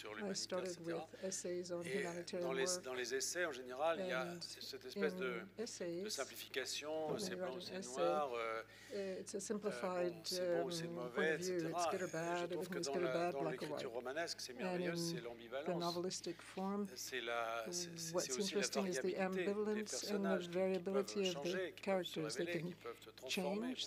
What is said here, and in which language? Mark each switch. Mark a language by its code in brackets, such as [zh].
[en] I started with essays on humanitarian work. [fr] Dans les essais, en général, il y a cette espèce de simplification, c'est blanc, c'est noir. [en] It's a simplified point of view. It's good or bad. Everything's good or bad, black or white. And in the novelistic form, what's interesting is the ambivalence and the variability of the characters. They can change.